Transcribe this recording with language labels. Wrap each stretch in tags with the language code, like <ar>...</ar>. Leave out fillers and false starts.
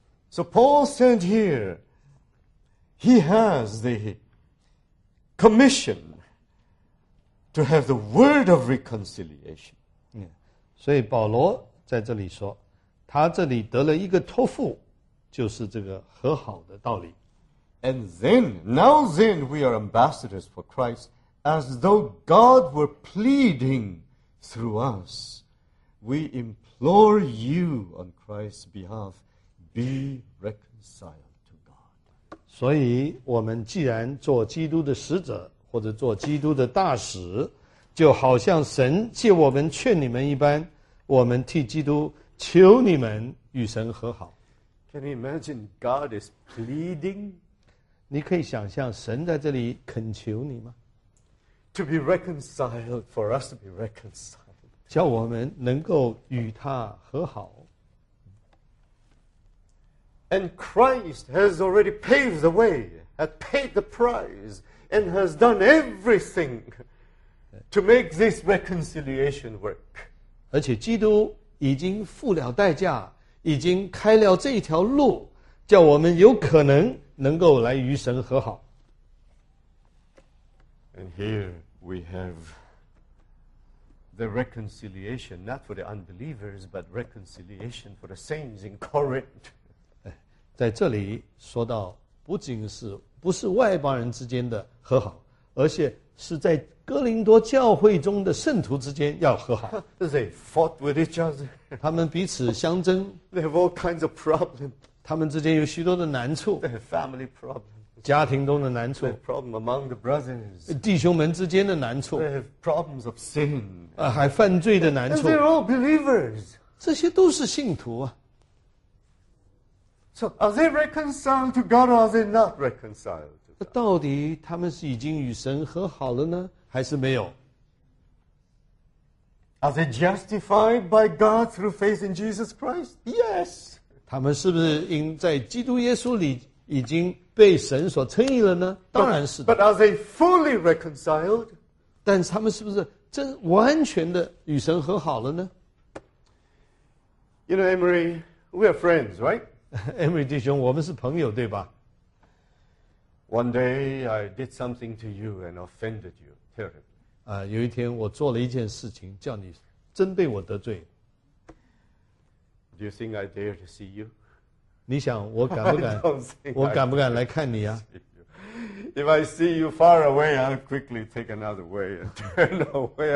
<en>So Paul said here, he has the commission to have the word of reconciliation.</en> <zh>所以保罗在这里说，他这里得了一个托付，就是这个和好的道理。</zh> <en>And then, now then we are ambassadors for Christ. As though God were pleading through us, we implore you on Christ's behalf, be reconciled to God.</en> <zh>所以我们既然做基督的使者或者做基督的大使，就好像神借我们劝你们一般，我们替基督求你们与神和好。</zh> <en>Can you imagine God is pleading?</en> <zh>你可以想象神在这里恳求你吗？</zh> <en>To be reconciled, for us to be reconciled.</en> <zh>叫我们能够与他和好。</zh> <en>And Christ has already paved the way, has paid the price, and has done everything to make this reconciliation work.</en> <zh>而且基督已经付了代价，已经开了这一条路，叫我们有可能能够来与神和好。</zh> <en>And here we have the reconciliation, not for the unbelievers, but reconciliation for the saints in Corinth.</en> <zh>在这里说到，不仅是不是外邦人之间的和好，而且是在哥林多教会中的圣徒之间要和好。</zh> <en>They fought with each other.</en> <zh>他们彼此相争。</zh> <en>They have all kinds of problems.</en> <zh>他们之间有许多的难处。</zh> <en>They have family problems.</en> <zh>家庭中的难处。</zh> <en>They have problems among the brothers.</en> <zh>弟兄们之间的难处。</zh> <en>They have problems of sin.</en> <zh>还犯罪的难处。</zh> <en>And they're all believers.</en> <zh>这些都是信徒啊。</zh> <en>So are they reconciled to God or are they not reconciled?</en> <zh>到底他们是已经与神和好了呢，还是没有？</zh> <en>Are they justified by God through faith in Jesus Christ? Yes.</en> <zh>他们是不是因在基督耶稣里已经被神所称义了呢？当然是的。</zh> <en>But are they fully reconciled?</en> <zh>但是他们是不是真完全的与神和好了呢？</zh> <en>You know, Emery, we are friends, right?</en> <zh>Emery 弟兄，我们是朋友，对吧？</zh> <en>One day I did something to you and offended you terribly.</en> <zh>有一天我做了一件事情，叫你真被我得罪。</zh> <en>Do you think I dare to see you?</en> <zh>你想我敢不敢？我敢不敢来看你啊？</zh> <en>If I see you far away, I'll quickly take another way and turn away.</en>